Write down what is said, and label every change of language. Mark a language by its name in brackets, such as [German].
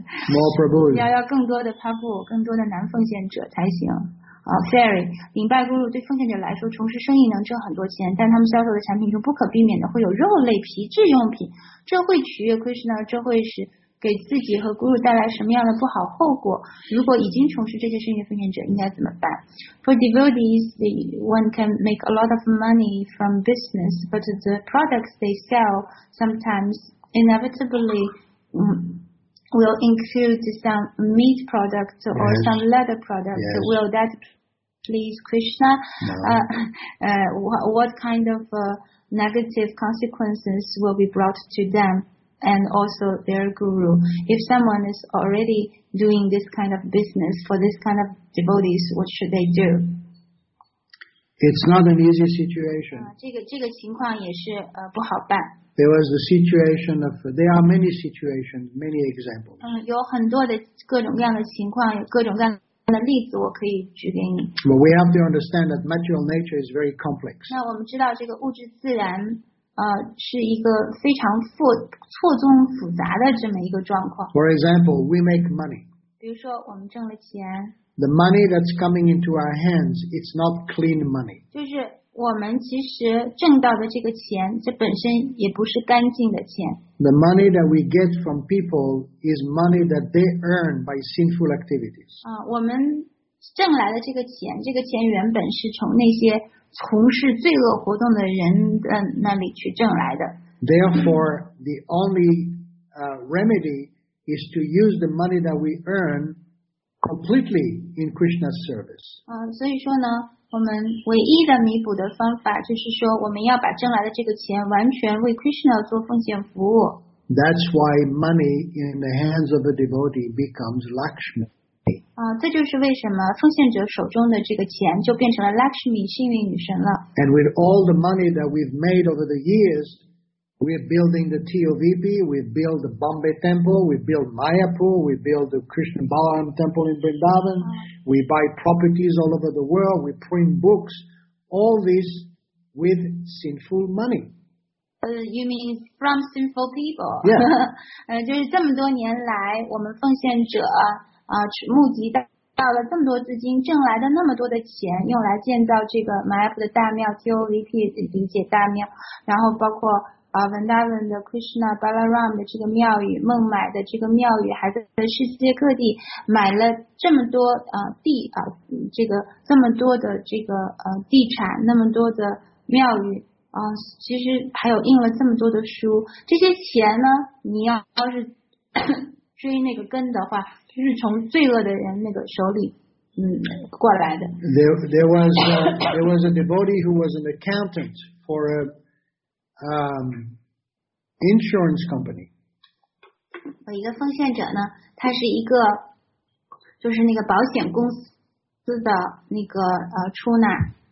[English] more prabhus， [Chinese] 要更多的 prabhu， 更多的男奉献者才行。 Fairy， 领拜咕噜对奉献者来说，从事生意能挣很多钱，但他们销售的产品中不可避免的会有肉类、皮质用品，这会取悦 Krishna， 这会使。给自己和 Guru 带来什么样的不好后果？如果已经从事这些生意的奉献者应该怎么办 [English] ？For devotees, one can make a lot of money from business, but the products they sell sometimes inevitably will include some meat products or some leather products. Yes. Will that please Krishna? What kind of negative consequences will be brought to them? And also their guru. If someone is already doing this kind of business for this kind of devotees, what should they do? It's not an easy situation. [Chinese] 这个情况也是不好办。 [English] There was the situation of. There are many situations, many examples. [Chinese] 有很多的各种各样的情况，各种各样的例子，我可以举给你。 [English] But we have to understand that material nature is very complex. [Chinese] 那我们知道这个物质自然。是一个非常错综复杂的这么一个状况。 [English] For example, we make money. [Chinese] 比如说，我们挣了钱。 [English] The money that's coming into our hands, it's not clean money. [Chinese] 就是我们其实挣到的这个钱，这本身也不是干净的钱。 [English] The money that we get from people is money that they earn by sinful activities. [Chinese] 我们挣来的这个钱原本是从那些。从事罪恶活动的人的那里去挣来的。 [English] Therefore, the only remedy is to use the money that we earn completely in Krishna's service. [Chinese] 所以说呢，我们唯一的弥补的方法就是说，我们要把挣来的这个钱完全为 Krishna 做奉献服务。 [English] That's why money in the hands of a devotee becomes Lakshmi. [Chinese] 这就是为什么奉献者手中的这个钱就变成了 Lakshmi, 幸运女神了。 [English] And with all the money that we've made over the years, we're building the TOVP, we build the Bombay Temple, we build Mayapur, we build the Krishna Balaram Temple in Vrindavan, we buy properties all over the world, we print books, all this with sinful money. You mean from sinful people? Yeah. [Chinese] 就是这么多年来，我们奉献者募集到了这么多资金，挣来的那么多的钱，用来建造这个 Mayapur 的大庙 TOVP 理解大庙，然后包括文达文的 Krishna Balaram 的这个庙宇，孟买的这个庙宇，还在世界各地买了这么多地这个这么多的这个地产，那么多的庙宇其实还有印了这么多的书。这些钱呢，你要是追那个根的话，就是从罪恶的人那个手里过来的。 [English] There was a devotee who was an accountant for a insurance company. [Chinese] 有一个奉献者呢，他是一个，就是那个保险公司的那个出纳。